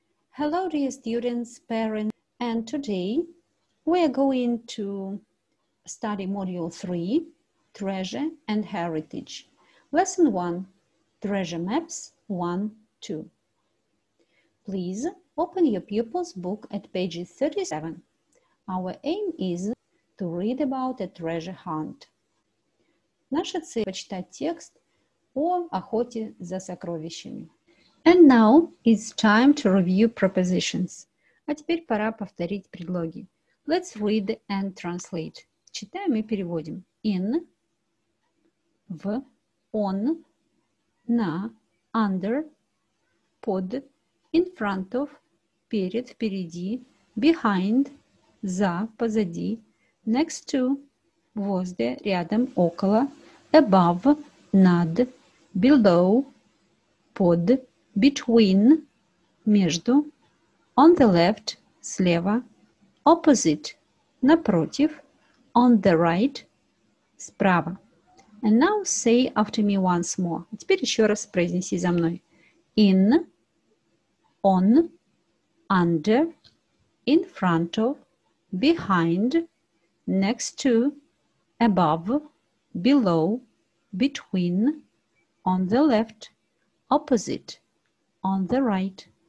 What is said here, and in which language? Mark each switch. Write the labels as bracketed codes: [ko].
[en] Hello, dear students, parents, and today we are going to study module 3, Treasure and Heritage. Lesson 1, Treasure Maps 1, 2. Please open your pupil's book at page 37. Our aim is to read about a treasure hunt. [ru] Наша цель – почитать текст о охоте за сокровищами. [en] And now it's time to review prepositions. [ru] А теперь пора повторить предлоги. [en] Let's read and translate. Читаем и переводим. In, в, on, на, under, под, in front of, перед, впереди, behind, за, позади, next to, возле, рядом, около, above, над, below, под, between, между, on the left, слева, opposite, напротив, on the right, справа. And now say after me once more. [ru] Теперь еще раз произнеси за мной. [en] In, on, under, in front of, behind, next to, above, below, between, on the left, opposite, on the right.